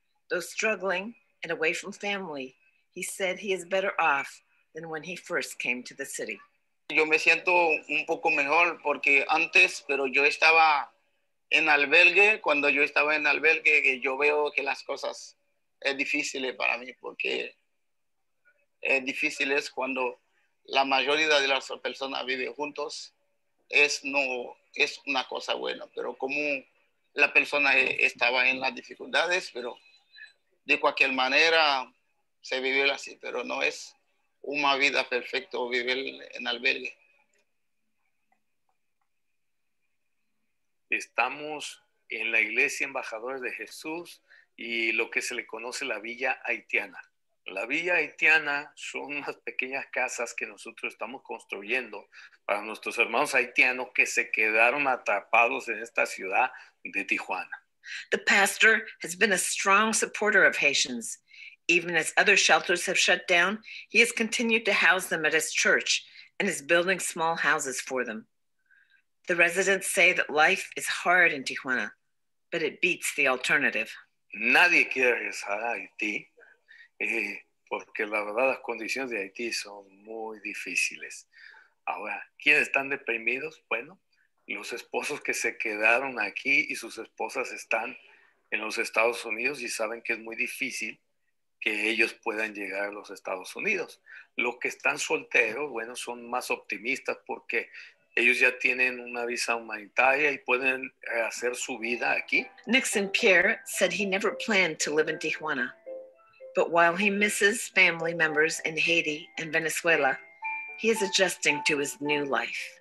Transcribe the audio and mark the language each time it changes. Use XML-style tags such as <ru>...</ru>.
<en>Though struggling and away from family, he said he is better off than when he first came to the city.</en> <es>Yo me siento un poco mejor porque antes, pero yo estaba en albergue. Cuando yo estaba en albergue, yo veo que las cosas es difícil para mí porque es difícil es cuando la mayoría de las personas vive juntos. Es una cosa buena, pero como la persona estaba en las dificultades, pero de cualquier manera, se vive así, pero no es una vida perfecta vivir en albergue. Estamos en la Iglesia Embajadores de Jesús y lo que se le conoce la Villa Haitiana. La Villa Haitiana son unas pequeñas casas que nosotros estamos construyendo para nuestros hermanos haitianos que se quedaron atrapados en esta ciudad de Tijuana.</es> <en>The pastor has been a strong supporter of Haitians. Even as other shelters have shut down, he has continued to house them at his church and is building small houses for them. The residents say that life is hard in Tijuana, but it beats the alternative.</en> <es>Nadie quiere regresar a Haití por porque la verdad las condiciones de Haití son muy difíciles. Ahora, ¿quiénes están deprimidos? Bueno, los esposos que se quedaron aquí y sus esposas están en los Estados Unidos y saben que es muy difícil que ellos puedan llegar a los Estados Unidos. Los que están solteros, bueno, son más optimistas porque ellos ya tienen una visa humanitaria y pueden hacer su vida aquí.</es> <en>Nixon Pierre said he never planned to live in Tijuana. But while he misses family members in Haiti and Venezuela, he is adjusting to his new life.</en>